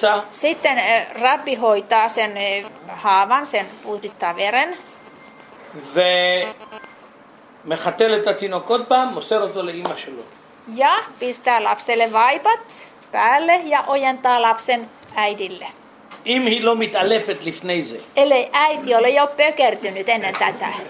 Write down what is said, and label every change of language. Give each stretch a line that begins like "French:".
Finnish: Sitten rabbi hoitaa sen haavan, sen puhdistaa veren.
Hebrew: מחתל את התינוק עוד פעם, מוסר אותו לאימא שלו.
Finnish: Ja, pistää lapselle vaipat päälle ja ojentaa lapsen äidille.
Hebrew: אם היא לא מתעלפת לפני זה.
Finnish: אלי äiti ole jo pökertynyt ennen tätä.